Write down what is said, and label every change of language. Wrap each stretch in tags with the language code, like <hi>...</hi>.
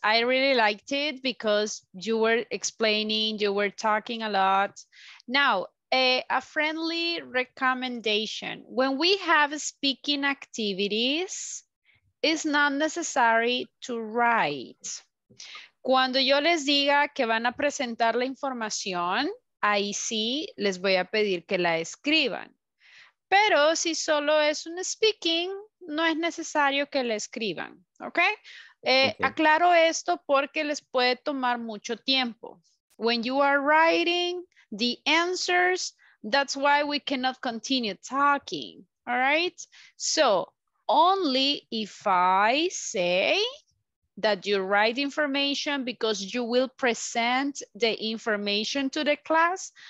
<en>I really liked it because you were explaining, you were talking a lot. Now, a friendly recommendation. When we have speaking activities, it's not necessary to write.</en> <es>Cuando yo les diga que van a presentar la información, ahí sí les voy a pedir que la escriban. Pero si solo es un speaking, no es necesario que la escriban. ¿Ok? Aclaro esto porque les puede tomar mucho tiempo.</es> <en>When you are writing the answers, that's why we cannot continue talking. All right? So, only if I say that you write information because you will present the information to the class.</en>